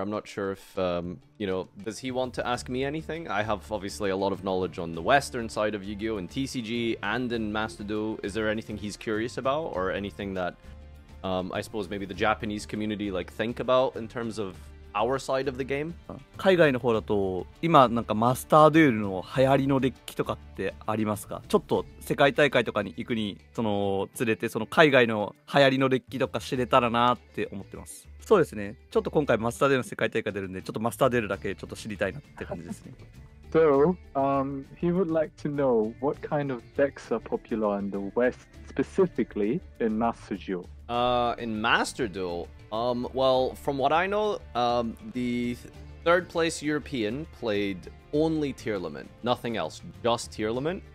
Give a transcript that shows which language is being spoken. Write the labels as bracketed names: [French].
[English] I'm not sure if does he want to ask me anything? I have obviously a lot of knowledge on the Western side of Yu-Gi-Oh! And TCG and in Master Duel. Is there anything he's curious about or anything that I suppose maybe the Japanese community like think about in terms of our side of the game? [Japanese] 海外の方だと今なんかマスターデュエルの流行りのデッキとかってありますか？ちょっと世界大会とかに行くにその連れてその海外の流行りのデッキとか知れたらなって思ってます。そうですね、ちょっと今回マスターデュエルの世界大会出るんでちょっとマスターデュエルだけちょっと知りたいなって感じですね。 [English] So, he would like to know what kind of decks are popular in the West, specifically in Master Duel. In Master Duel, well, from what I know, the third place European played only Tier Limit, nothing else, just Tier Limit.